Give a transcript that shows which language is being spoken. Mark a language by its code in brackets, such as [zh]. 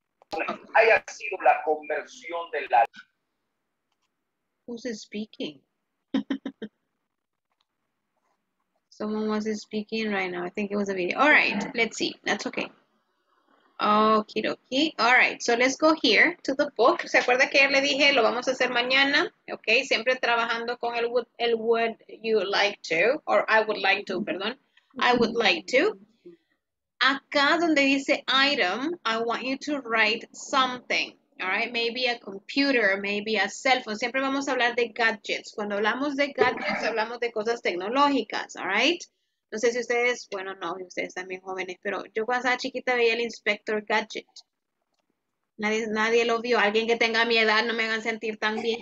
[es] Haya sido la conversión de la... [en] Who's speaking? Someone was speaking right now. I think it was a video. All right, let's see. That's okay. Okie dokie. All right, so let's go here to the book. [es] ¿Se acuerda que ya le dije lo vamos a hacer mañana? [en] Okay, [es] siempre trabajando con el [en] would you like to, or I would like to, [es] perdón. [en] I would like to. [es] Acá donde dice [en] item, I want you to write something. All right, maybe a computer, maybe a cell phone. [es] Siempre vamos a hablar de [en] gadgets. [es] Cuando hablamos de gadgets, hablamos de cosas tecnológicas, [en] all right? [es] No sé si ustedes, bueno, no, ustedes también jóvenes, pero yo cuando estaba chiquita veía el Inspector Gadget. Nadie lo vio. Alguien que tenga mi edad, no me hagan sentir tan bien.